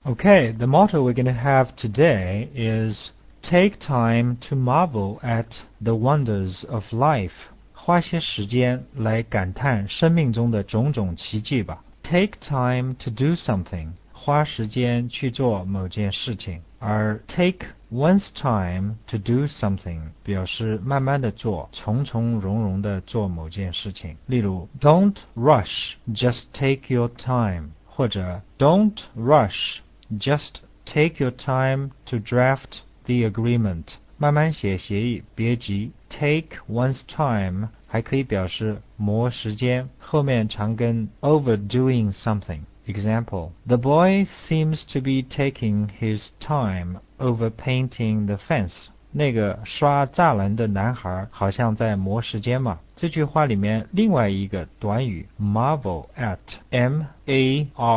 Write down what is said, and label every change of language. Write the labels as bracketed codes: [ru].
[en] Okay, the motto we're going to have today is take time to marvel at the wonders of life. [zh] 花些时间来感叹生命中的种种奇迹吧。 [en] Take time to do something. [zh] 花时间去做某件事情。而 [en] take one's time to do something [zh] 表示慢慢的做，从从容容的做某件事情。例如 [en] don't rush, just take your time. [zh] 或者 [en] don't rush,Just take your time to draft the agreement. [zh] 慢慢写协议，别急。 [en] Take one's time [zh] 还可以表示磨时间，后面常跟 [en] overdoing something. Example, the boy seems to be taking his time over painting the fence. [zh] 那个刷栅栏的男孩好像在磨时间嘛。这句话里面另外一个短语 [en] marvel at, [zh] M-A-R-V-E-L.